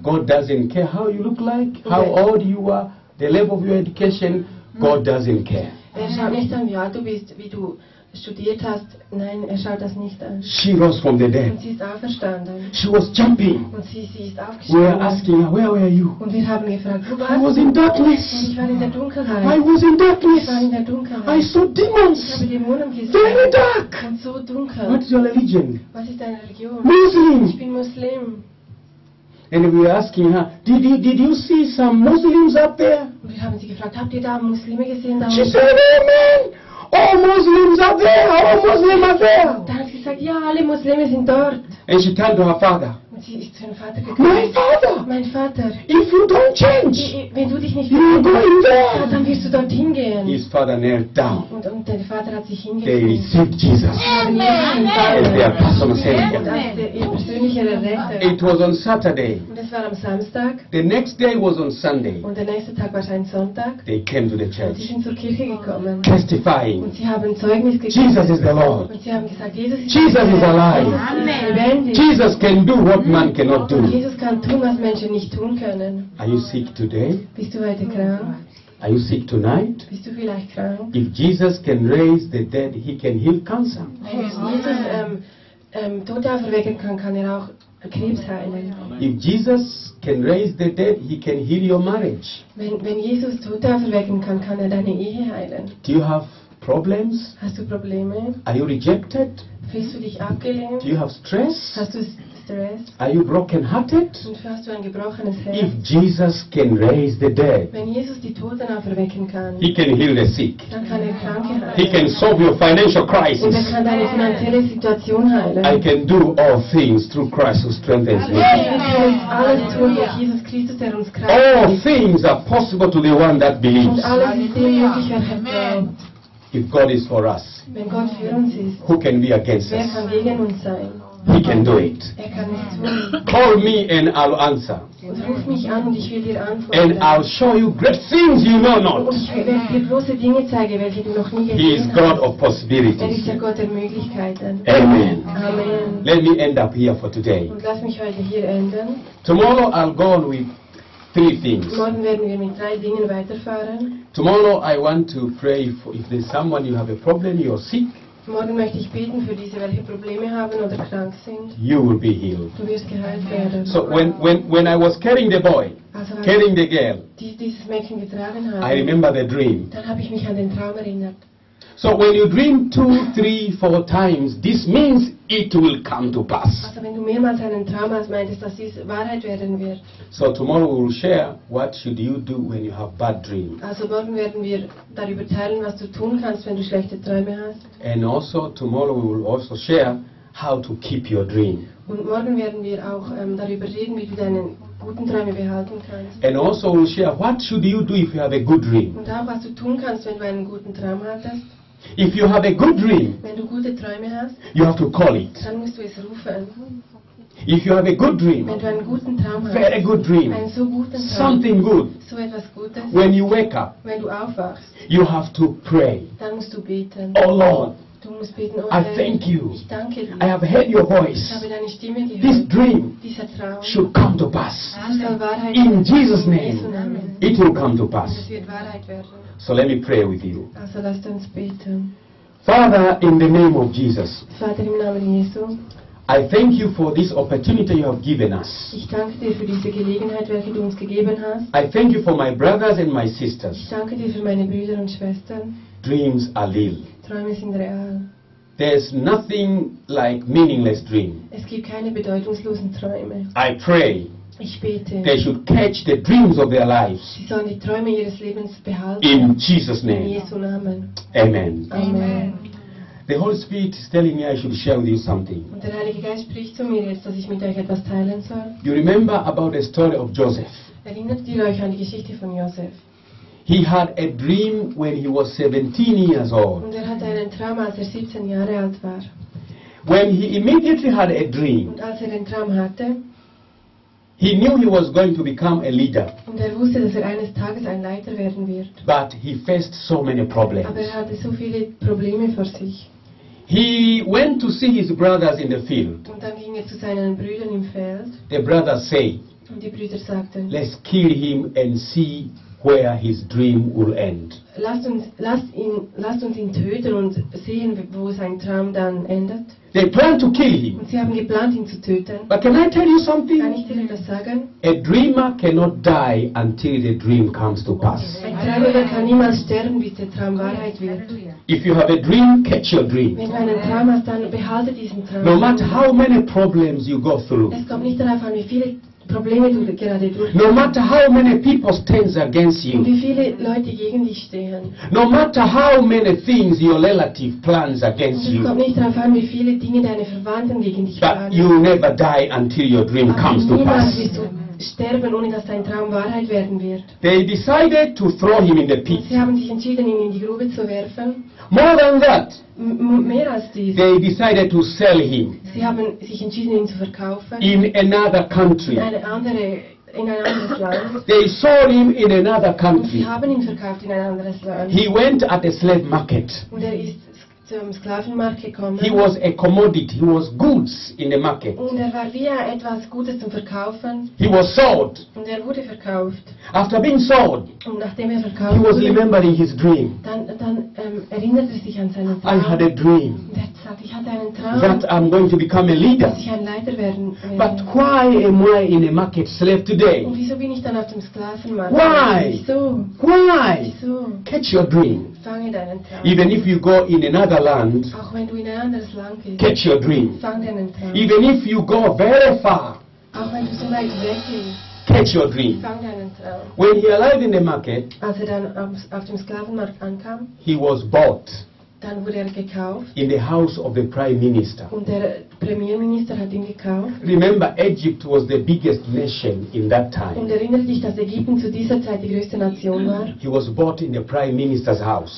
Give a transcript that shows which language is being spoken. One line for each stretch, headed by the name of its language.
English: God doesn't care how you look like, how old you are, the level of your education. God doesn't care.
German: Er schaut nicht an, wie alt du bist, wie du studiert hast. Nein, er schaut das nicht an.
English: She rose from the dead.
German: Und sie ist auferstanden.
English: She was jumping.
German: Und sie ist aufgestanden.
English: We are asking, where were you?
German: Und wir haben gefragt, wo warst du?
English: I was in darkness.
German: Und ich war in der Dunkelheit.
English: I was in darkness.
German: Ich war in der Dunkelheit.
English: I saw demons.
German: Ich habe Dämonen gesehen.
English: Very dark.
German: Und so dunkel.
English: What is your religion?
German: Was ist deine Religion?
English: Muslim.
German: Ich bin Muslim.
English: And we are asking her, did you see some Muslims up there?
German: Wir haben sie gefragt, habt ihr da Muslime gesehen? Da
English: she said, amen! All Muslims up there! All Muslims up there!
German: Dann hat sie gesagt, ja, alle Muslime sind dort.
English: And she turned to her father.
German: Und sie ist zu ihrem Vater gegangen.
English: My father!
German: Mein Vater!
English: If you don't change,
German: wenn du dich nicht verändern,
English: you're going there!
German: Dann wirst du dorthin gehen.
English: His father knelt down.
German: Und dein Vater hat sich hingegeben.
English: They received Jesus. Amen! As their personal savior. It was on Saturday.
German: Und es war am Samstag.
English: The next day was on Sunday.
German: Und der nächste Tag war ein Sonntag.
English: They came to the church.
German: Sie sind zur Kirche gekommen.
English: Testifying.
German: Und sie haben Zeugnis gegeben.
English: Jesus is the Lord.
German: Und sie haben gesagt, Jesus ist Jesus der
English: is alive. Amen. Jesus can do what man cannot do.
German: Jesus kann tun, was Menschen nicht tun können.
English: Are you sick today?
German: Bist du heute krank?
English: Are you sick tonight?
German: Bist du vielleicht krank?
English: If Jesus can raise the dead, he can heal cancer.
German: Wenn Jesus Tote auferwecken kann, kann er auch Krebs heilen.
English: If Jesus can raise the dead, he can heal your marriage.
German: Wenn Jesus Tote auferwecken kann, kann er deine Ehe heilen.
English: Do you have problems?
German: Hast du Probleme?
English: Are you rejected?
German: Fühlst du dich abgelehnt?
English: Do you have stress?
German: Hast du Stress?
English: Are you broken hearted?
German: Und hast du ein gebrochenes Herz?
English: If Jesus can raise the dead,
German: wenn Jesus die Toten auferwecken kann,
English: he can heal the sick.
German: Dann kann er Kranke heilen.
English: He can solve your financial crisis.
German: Und er kann deine finanzielle Situation heilen.
English: I can do all things through Christ who strengthens me.
German: Ich kann alles tun durch Jesus Christus, der uns Kraft gibt.
English: All things are possible to the one that believes.
German: Und alles ist dem möglich, wer hat Glauben.
English: If God is for us,
German: wenn Gott für uns ist,
English: who can be against
German: wer
English: us?
German: Kann gegen uns sein?
English: He can do it.
German: Er kann es tun.
English: Call me and I'll answer.
German: Und ruf mich an und ich will dir antworten.
English: And I'll show you great things you know not.
German: Und ich werde dir große Dinge zeigen, welche du noch nie gesehen hast.
English: He is God of possibilities.
German: Er ist der Gott der Möglichkeiten.
English: Amen. Amen. Let me end up here for today.
German: Und lass mich heute hier enden.
English: Tomorrow I'll go on with three things.
German: Morgen werden wir mit drei Dingen weiterfahren.
English: Tomorrow I want to pray for if there's someone you have a problem, you're sick.
German: Morgen möchte ich beten für diese, welche Probleme haben oder krank sind.
English: You will be healed.
German: Du wirst geheilt werden.
English: So when I was carrying the boy,
German: also
English: carrying the girl,
German: dieses Mädchen getragen habe,
English: I remember the dream.
German: Dann habe ich mich an den Traum erinnert.
English: So when you dream 2, 3, 4 times, this means it will come to pass.
German: Also wenn du mehrmals einen Traum hast, meint es, dass dies Wahrheit werden wird.
English: So tomorrow we will share what should you do when you have bad dreams.
German: Also morgen werden wir darüber teilen, was du tun kannst, wenn du schlechte Träume hast.
English: And also tomorrow we will also share how to keep your dream.
German: Und morgen werden wir auch darüber reden, wie du deinen guten Träume behalten kannst.
English: And also we will share what should you do if you have a good dream.
German: Und auch was du tun kannst, wenn du einen guten Traum hattest.
English: If you have a good dream,
German: wenn du gute Träume hast,
English: you have to call it.
German: Dann musst du es rufen.
English: If you have a good dream,
German: wenn du einen guten Traum hast,
English: very good dream,
German: einen so guten Traum,
English: something good,
German: so etwas Gutes,
English: when you wake up,
German: wenn du aufwachst,
English: you have to pray.
German: Dann musst du beten.
English: Oh Lord,
German: du musst beten, oh
English: I
German: Herr,
English: thank you.
German: Ich danke dir.
English: I have heard your voice.
German: Ich habe deine Stimme gehört.
English: This dream,
German: dieser Traum,
English: should come to pass.
German: Soll Wahrheit werden.
English: In Jesus' name,
German: Jesu Namen,
English: it will come to pass.
German: Es wird Wahrheit werden.
English: So let me pray with you.
German: Also, lasst uns beten.
English: Father, in the name of Jesus,
German: Vater, im Namen Jesu,
English: I thank you for this opportunity you have given us.
German: Ich danke dir für diese Gelegenheit, welche du uns gegeben hast.
English: I thank you for my brothers and my sisters.
German: Ich danke dir für meine Brüder und Schwestern.
English: Dreams are real.
German: Träume sind real.
English: There's nothing like meaningless dream.
German: Es gibt keine bedeutungslosen Träume.
English: I pray.
German: Ich bete.
English: They should catch the dreams of their lives.
German: Sie sollen die Träume ihres Lebens behalten.
English: In Jesus' name.
German: In Jesu Namen.
English: Amen. Amen. The Holy Spirit is telling me I should share with you something.
German: Und der Heilige Geist spricht zu mir jetzt, dass ich mit euch etwas teilen soll.
English: You remember about the story of Joseph?
German: Erinnert ihr euch an die Geschichte von Josef?
English: He had a dream when he was 17 years old.
German: Und er hatte einen Traum, als er 17 Jahre alt war.
English: When he immediately had a dream.
German: Und als er den Traum hatte.
English: He knew he was going to become a leader.
German: Und er wusste, dass er eines Tages ein Leiter werden wird.
English: But he faced so many problems.
German: Aber er hatte so viele Probleme vor sich.
English: He went to see his brothers in the field.
German: Und dann ging er zu seinen Brüdern im Feld.
English: The brothers say,
German: und die Brüder sagten,
English: let's kill him and see where his dream will end.
German: Lasst uns ihn töten und sehen, wo sein Traum dann endet.
English: They plan to kill him.
German: Und sie haben geplant, ihn zu töten.
English: But can I tell you something?
German: Kann ich dir etwas sagen?
English: A dreamer cannot die until the dream comes to pass.
German: Ein Träumer kann niemals sterben, bis der Traum Wahrheit wird.
English: If you have a dream, catch your dream.
German: Wenn du einen Traum hast, dann behalte diesen Traum.
English: No matter how many problems you go through.
German: Es kommt nicht darauf an, wie viele Probleme du gerade durchmachst.
English: No matter how many people stand against you.
German: Und wie viele Leute gegen dich stehen.
English: No matter how many things your relative plans against you.
German: Es kommt nicht darauf an, wie viele Dinge deine Verwandten gegen dich planen.
English: But you never die until your dream comes to pass.
German: Aber niemals wirst du sterben, ohne dass dein Traum Wahrheit werden wird.
English: They decided to throw him in the pit.
German: Sie haben sich entschieden, ihn in die Grube zu werfen.
English: More than that.
German: Mehr als dies.
English: They decided to sell him.
German: Sie haben sich entschieden, ihn zu verkaufen.
English: In another country.
German: In ein anderes Land.
English: They sold him in another country.
German: Und sie haben ihn verkauft in ein anderes Land.
English: He went at the slave market.
German: Und er ist zum Sklavenmarkt gekommen.
English: He was a commodity. He was goods in the market.
German: Und er war wie etwas Gutes zum Verkaufen.
English: He was sold.
German: Und er wurde verkauft.
English: After being sold.
German: Und nachdem er verkauft.
English: He was remembering his dream.
German: Dann erinnert er sich an seinen Traum.
English: I had a dream.
German: Ich hatte einen Traum,
English: that I'm going to become a leader.
German: Dass ich ein Leiter werden werde.
English: But why am I in a market slave today?
German: Und wieso bin ich dann auf dem Sklavenmarkt?
English: Why?
German: Wieso?
English: Why?
German: Wieso?
English: Catch your dream.
German: Fange deinen Traum.
English: Even if you go in another land.
German: Auch wenn du in ein anderes Land gehst.
English: Catch your dream.
German: Fange deinen Traum.
English: Even if you go very far.
German: Auch wenn du so weit weg gehst.
English: Catch your dream. When he arrived in the market,
German: als er dann auf dem Sklavenmarkt ankam,
English: he was bought.
German: Dann wurde er gekauft.
English: In the house of the prime minister.
German: Und der Premierminister hat ihn gekauft.
English: Remember, Egypt was the biggest nation in that time.
German: Und erinnert dich, dass Ägypten zu dieser Zeit die größte Nation war.
English: He was bought in the prime minister's house.